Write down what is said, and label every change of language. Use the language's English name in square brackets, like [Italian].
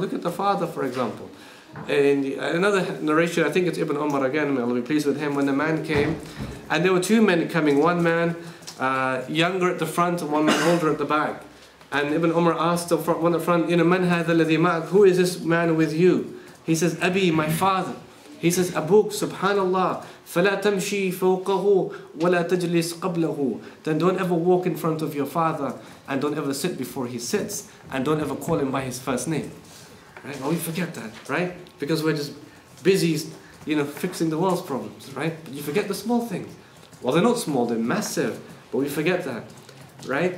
[English] Look at the father, for example. In another narration, I think it's Ibn Umar again, may Allah be pleased with him, when the man came, and there were two men coming, one man younger at the front and one man older at the back. And Ibn Umar asked the one at the front, you know, [Arabic] man hadha alladhi ma'ak, [English] who is this man with you? He says, Abi, my father. He says, a book, subhanAllah, [Arabic] فَلَا تَمْشِي فَوْقَهُ وَلَا تَجْلِسْ قَبْلَهُ. [English] Then don't ever walk in front of your father, and don't ever sit before he sits, and don't ever call him by his first name. Right? Well, we forget that, right? Because we're just busy, you know, fixing the world's problems, right? But you forget the small things. Well, they're not small, they're massive, but we forget that, right?